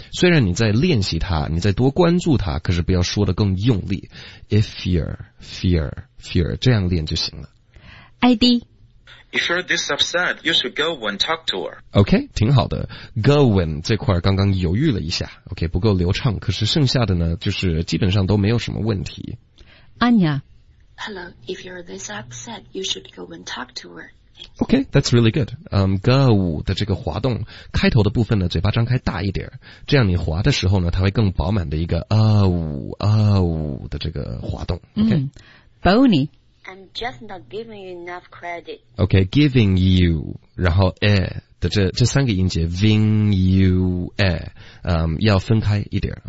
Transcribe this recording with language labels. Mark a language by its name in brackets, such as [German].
[Chinese] 虽然你在练习它，你在多关注它，可是不要说得更用力。 If fear, fear, fear, 这样练就行了。 ID。 [English] If you're this upset, you should go and talk to her. [Chinese] Okay, 挺好的。Go and 这块刚刚犹豫了一下 ,okay, 不够流畅，可是剩下的呢就是基本上都没有什么问题。 [English] Anya. Hello, if you're this upset, you should go and talk to her. Okay, that's really good. [Chinese] Go 的这个滑动开头的部分呢嘴巴张开大一点，这样你滑的时候呢它会更饱满的一个的这个滑动。 [English] Okay. Bony. I'm just not giving you enough credit. [Chinese] Okay, giving you, 然后 air 的这三个音节 ,ving you air, 要分开一点。